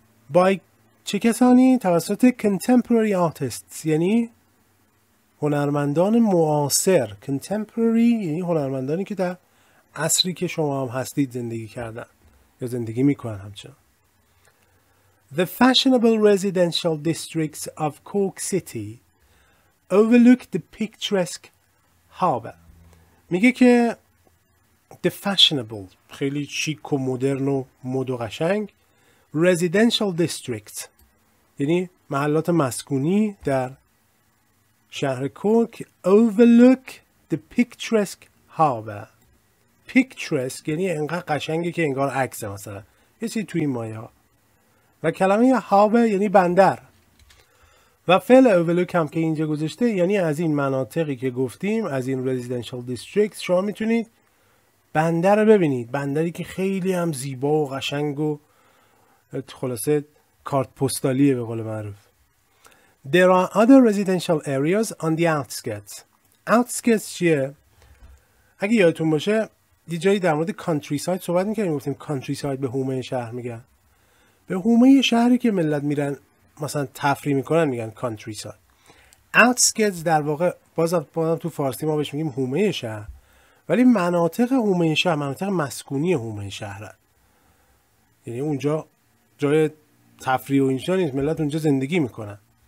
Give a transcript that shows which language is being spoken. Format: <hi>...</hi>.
<fa>بای چه کسانی؟ توسط</fa> <en>contemporary artists</en> <fa>یعنی هنرمندان معاصر. contemporary یعنی هنرمندانی که در عصری که شما هم هستید زندگی کردن یا زندگی میکنن همچنان.</fa> <en>The fashionable residential districts of Cork City overlook the picturesque harbour.</en> <fa>میگه که</fa> <en>the fashionable</en> <fa>خیلی شیک و مدرن و مد و قشنگ،</fa> <en>residential districts</en> <fa>یعنی محلات مسکونی در شهر کورک،</fa> <en>overlook the picturesque harbour.</en> <fa>picturesque یعنی انقدر قشنگه که انگار عکس، مثلا یه چیزی توی مایا. و کلمه هابه یعنی بندر، و فعل اولوک هم که اینجا گذاشته یعنی از این مناطقی که گفتیم، از این</fa> <en>residential district،</en> <fa>شما میتونید بندر رو ببینید. بندری که خیلی هم زیبا و قشنگ و خلاصه کارت پستالیه به قول معروف.</fa> <en>There are other residential areas on the outskirts.</en> <fa>outskirts چیه؟ اگه یادتون باشه یه جایی در مورد کانتری سایت صحبت میکنیم، گفتیم کانتری سایت به حومه شهر میگن، به حومه شهری که ملت میرن مثلا تفریح میکنن میگن کانتری سایت. outskirts در واقع بازم تو فارسی ما بهش میگیم حومه شهر، ولی مناطق حومه شهر مناطق مسکونی حومه شهرن، یعنی اونجا جای تفریح و اینجا نیست، ملت اونجا زندگی میکنن.</fa>